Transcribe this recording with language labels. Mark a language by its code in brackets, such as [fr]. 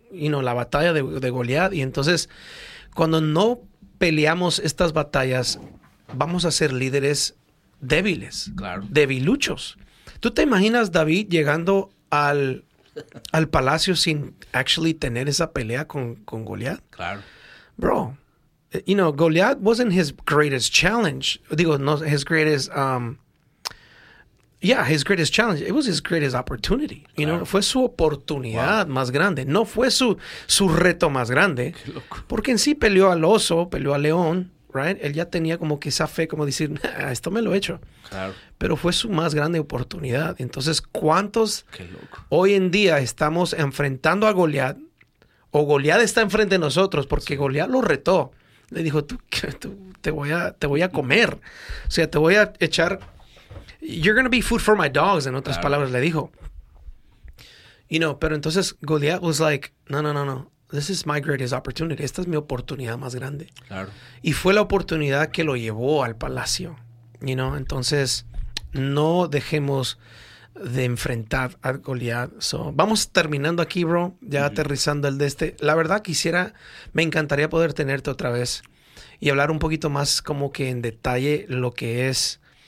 [es] Y no, la batalla de Goliat. Y entonces, cuando no peleamos estas batallas, vamos a ser líderes débiles. Claro. Debiluchos. ¿Tú te imaginas David llegando al palacio sin actually tener esa pelea con Goliat? Claro. [en] Bro, you know, Goliat wasn't his greatest challenge. [es] Digo, no, [en] his greatest... Yeah, his greatest challenge. It was his greatest opportunity. You know, [es] fue su oportunidad más grande. No fue su reto más grande. Qué loco. Porque en sí peleó al oso, peleó al león, right? Él ya tenía como que esa fe, como decir, esto me lo he hecho. Claro. Pero fue su más grande oportunidad. Entonces, ¿cuántos Qué loco. Hoy en día estamos enfrentando a Goliat? O Goliat está enfrente de nosotros porque Goliat lo retó. Le dijo, tú te voy a comer. O sea, te voy a echar... [en] You're going to be food for my dogs, [es] en otras palabras, le dijo. [en] You know, [es] pero entonces [en] Goliat was like, no, this is my greatest opportunity. [es] Esta es mi oportunidad más grande. Claro. Y fue la oportunidad que lo llevó al palacio. [en] You know, [es] entonces no dejemos de enfrentar a Goliat. So, vamos terminando aquí, bro, ya aterrizando el de este. La verdad, me encantaría poder tenerte otra vez y hablar un poquito más como que en detalle lo que es...